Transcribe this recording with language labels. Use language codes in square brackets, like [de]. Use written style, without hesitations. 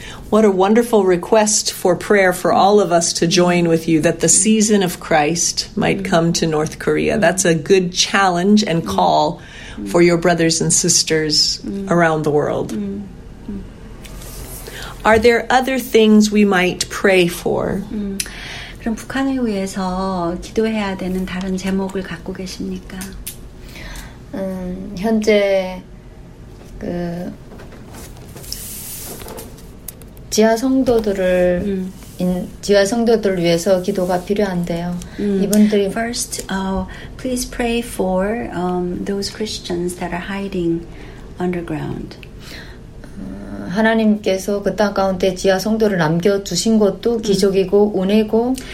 [en] What a wonderful request for prayer for all of us to join with you, that the season of Christ might come to North Korea. That's a good challenge and call for your brothers and sisters around the world. Are there other things we might pray for? [ko] 그럼 북한을 위해서 기도해야 되는 다른 제목을 갖고 계십니까? 현재 그 지하 성도들을 지하 성도들을 위해서 기도가 필요한데요. 이분들이 [en] First, please pray for those Christians that are hiding underground. [ko] 하나님께서 그 땅 가운데 지하 성도를 남겨 두신 것도 기적이고 은혜고